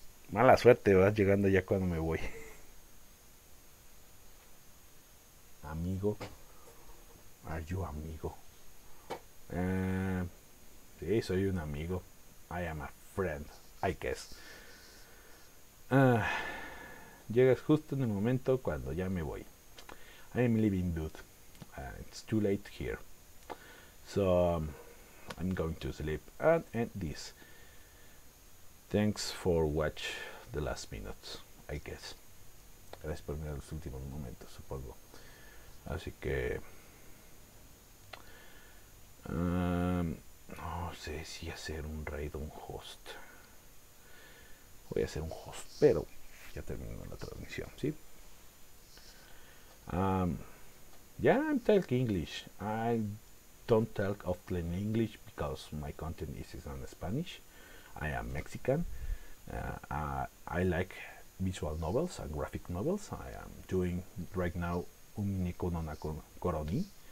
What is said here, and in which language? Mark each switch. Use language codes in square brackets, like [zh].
[es] Mala suerte, vas llegando ya cuando me voy, amigo. [en] Are you amigo? [es] Sí, soy un amigo. [en] I am a friend, I guess. [es] Llegas justo en el momento cuando ya me voy. [en] I am leaving, dude. It's too late here. So, I'm going to sleep and end this. Thanks for watch the last minutes, I guess. [es] Gracias por mirar los últimos momentos, supongo. Así que... no sé si hacer un raid o un host. Voy a hacer un host, pero ya terminó la transmisión, ¿sí? [en] Yeah, I'm talking English. I don't talk of plain English because my content is in Spanish. I am Mexican. I like visual novels and graphic novels. I am doing right now Un Nico no na Coroni.